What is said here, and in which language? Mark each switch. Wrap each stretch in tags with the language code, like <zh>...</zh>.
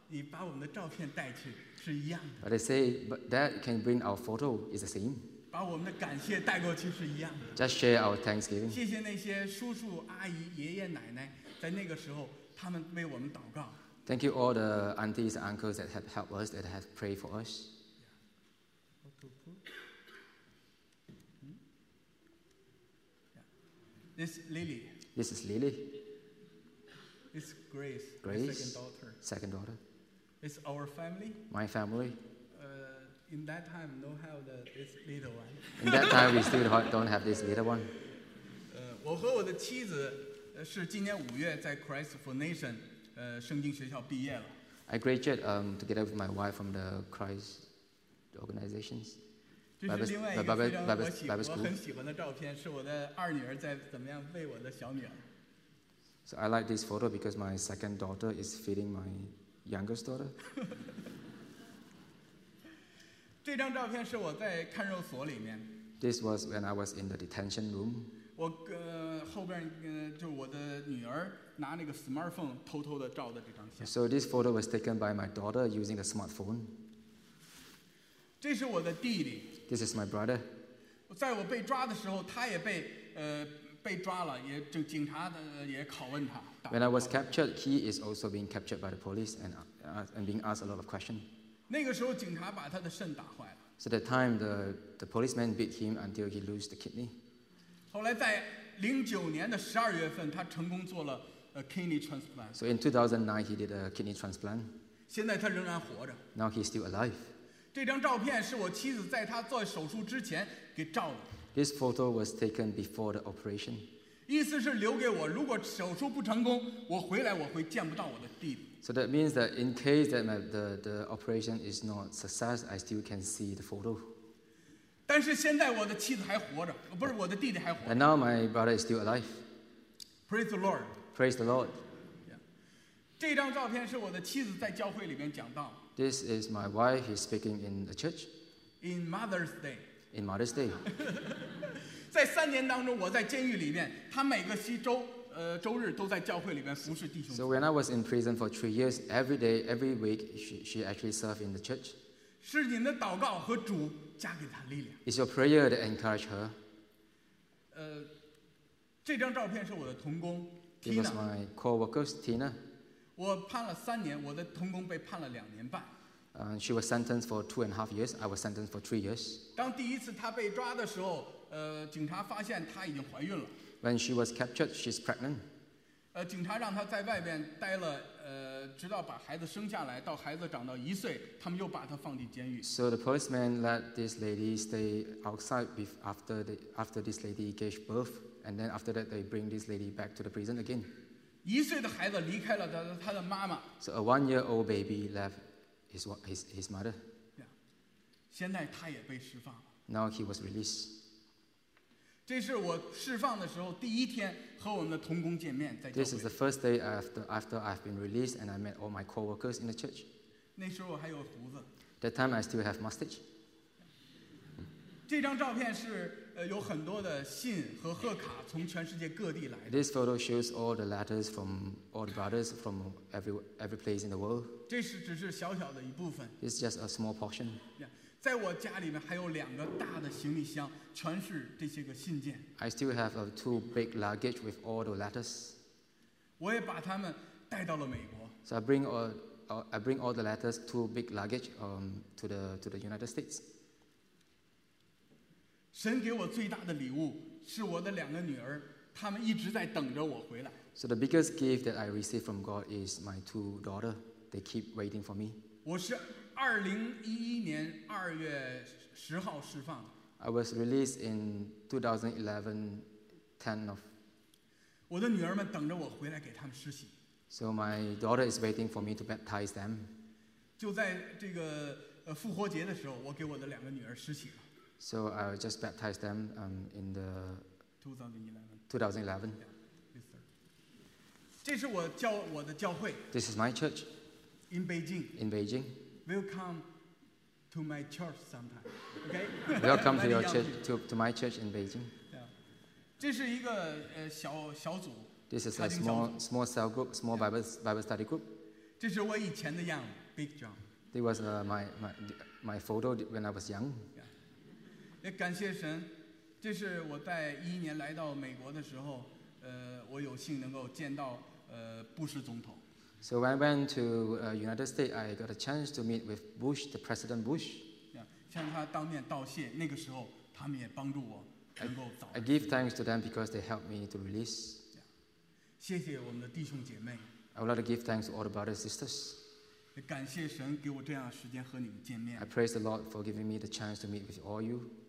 <zh>你把我们的照片带去是一样的。</zh> <en>But they say, but that can bring our photo is the same.</en> <zh>把我们的感谢带过去是一样的。</zh> <en>Just share our thanksgiving.</en> <zh>谢谢那些叔叔阿姨爷爷奶奶，在那个时候他们为我们祷告。</zh> <en>Thank you all the aunties and uncles that have helped us, that have prayed for us. 嗯 ，This Lily. This is Lily. This Grace. Grace. Second daughter. Second daughter. It's our family. My family. In that time, don't have the, this little one. In that time, we still don't have this little one.</en> <zh>我和我的妻子是今年五月在 Christ for Nation 圣经学校毕业了。</zh> <en>I graduated together with my wife from the Christ organizations.</en> <zh>这是另外一个非常我很喜欢的照片，是我的二女儿在怎么样喂我的小女儿。</zh> <en>So I like this photo because my second daughter is feeding my. Youngest daughter.</en> <zh>这张照片是我在看守所里面。</zh> <en>This was when I was in the detention room.</en> <zh>我后边就是我的女儿拿那个 smartphone 偷偷的照的这张相。</zh> <en>So this photo was taken by my daughter using the smartphone.</en> <zh>这是我的弟弟。</zh> <en>This is my brother.</en> <zh>在我被抓的时候，他也被被抓了，也就警察的也拷问他。</zh> <en>When I was captured, he is also being captured by the police and being asked a lot of questions.</en> <zh>那个时候警察把他的肾打坏了。</zh> <en>So that time the policeman beat him until he lost the kidney.</en> <zh>后来在09年的12月份他成功做了</zh> <en>kidney transplant. So in 2009 he did a kidney transplant.</en> <zh>现在他仍然活着。</zh> <en>Now he's still alive.</en> <zh>这张照片是我妻子在他做手术之前给照的。</zh> <en>This photo was taken before the operation.</en> <zh>意思是留给我，如果手术不成功，我回来我会见不到我的弟弟。</zh> <en>So that means that in case that the operation is not success, I still can see the photo.</en> <zh>但是现在我的妻子还活着，不是我的弟弟还活着。</zh> <en>And now my brother is still alive. Praise the Lord. Praise the Lord. Yeah.</en> <zh>这张照片是我的妻子在教会里面讲道。</zh> <en>This is my wife. He's speaking in a church. In Mother's Day. In Mother's Day.</en> <zh>在三年当中，我在监狱里面，他每个周日都在教会里面服侍弟兄。</zh> <en>So when I was in prison for 3 years, every day, every week, she actually served in the church.</en> <zh>是你的祷告和主加给他力量。</zh> <en>Is your prayer to encourage her?</en> <zh>这张照片是我的同工 Tina.</zh> <en>It was my co-workers Tina.</en> <zh>我判了三年，我的同工被判了两年半。</zh> <en>She was sentenced for 2.5 years. I was sentenced for 3 years.</en> <zh>当第一次她被抓的时候。警察发现她已经怀孕了。</zh> <en>When she was captured, she's pregnant.</en> <zh>警察让她在外边待了，直到把孩子生下来，到孩子长到一岁，他们又把她放进监狱。</zh> <en>So the policeman let this lady stay outside after this lady gave birth, and then after that they bring this lady back to the prison again.</en> <zh>一岁的孩子离开了她的妈妈。</zh> <en>So a 1-year-old baby left his mother.</en> <zh>Yeah. 现在她也被释放了。</zh> <en>Now he was released.</en> <zh>这是我释放的时候第一天和我们的同工见面，在教会。</zh> <en>This is the first day after I've been released and I met all my co-workers in the church.</en> <zh>那时候我还有胡子。</zh> <en>That time I still have mustache.</en> <zh>这张照片是有很多的信和贺卡从全世界各地来的。</zh> <en>This photo shows all the letters from all the brothers from every place in the world.</en> <zh>这是只是小小的一部分。</zh> <en>It's just a small portion. Yeah.</en> <zh>在我家里面还有两个大的行李箱，全是这些个信件。</zh> <en>I still have a two big luggage with all the letters.</en> <zh>我也把他们带到了美国。</zh> <en>So I bring all the letters, two big luggage, to the United States.</en> <zh>神给我最大的礼物是我的两个女儿，她们一直在等着我回来。</zh> <en>So the biggest gift that I receive from God is my two daughters. They keep waiting for me.</en> <zh>我是。2011年2月10号释放的。</zh> <en>I was released in 2011, 10 of.</en> <zh>我的女儿们等着我回来给他们施洗。</zh> <en>So my daughter is waiting for me to baptize them.</en> <zh>就在这个复活节的时候, 我给我的两个女儿施洗了。</zh> <en>So I just baptized them in the 2011. Yeah, yes, sir. This is my church. In Beijing. In Beijing. Welcome to my church sometime. Okay? Welcome to your church to my church in Beijing.</en> <zh>Yeah. 这是一个, 小组,</zh> <en>this is a small cell group, small Bible study group.</en> <zh>这是我以前的样, Big John.</zh> <en>This was my photo when I was young. Yeah.</en> <zh>感谢神, 这是我在11年来到美国的时候, 我有幸能够见到, 布什总统。</zh> <en>So when I went to United States, I got a chance to meet with Bush, the President Bush.</en> <zh>Yeah, 向他当面道谢, 那个时候, 他们也帮助我,</zh> <en>I give thanks to them because they helped me to release.</en> <zh>Yeah. 谢谢我们的弟兄姐妹,</zh> <en>I would like to give thanks to all the brothers and sisters.</en> <zh>感谢神给我这样的时间和你们见面。</zh> <en>I praise the Lord for giving me the chance to meet with all you.</en>